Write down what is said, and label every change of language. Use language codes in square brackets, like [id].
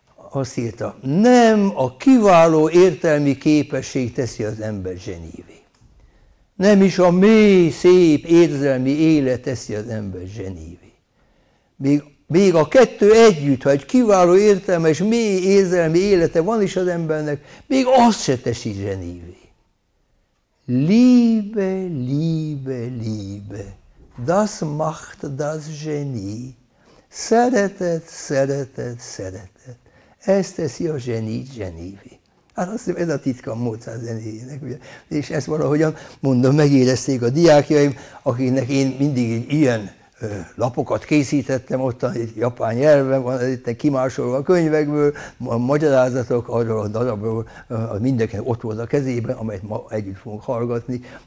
[hu] Azt írta, nem a kiváló értelmi képesség teszi az embert zsenívé. Nem is a mély, szép érzelmi élet teszi az embert zsenívé. Még a kettő együtt, ha egy kiváló értelmes, mély érzelmi élete van is az embernek, még azt se teszi zsenívé. [de] Liebe, Liebe, Liebe, das macht das Genie. [hu] Szeretet, szeretet, szeretet. Ezt teszi a zseni zsenívé. Hát azt hiszem, ez a titka a Mozart zenéjének. És ezt valahogyan mondom, megérezték a diákjaim, akiknek én mindig ilyen lapokat készítettem, ott a japán nyelven van, itt kimásolva a könyvekből, a magyarázatok arról a darabról, mindenkinek ott volt a kezében, amelyet ma együtt fogunk hallgatni.